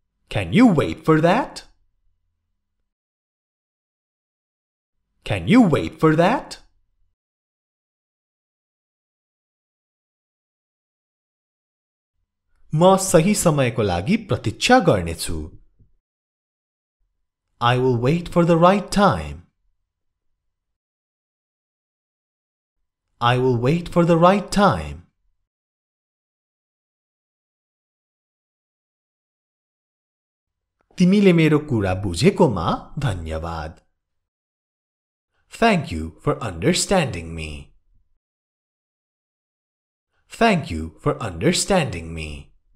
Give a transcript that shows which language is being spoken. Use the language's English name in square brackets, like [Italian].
[English] Can you wait for that? Can you wait for that? [Nepali] म सही समयको लागि प्रतीक्षा गर्नेछु। [English] I will wait for the right time. I will wait for the right time. [Nepali] तिमीले मेरो कुरा बुझेकोमा धन्यवाद। [English] Thank you for understanding me. Thank you for understanding me.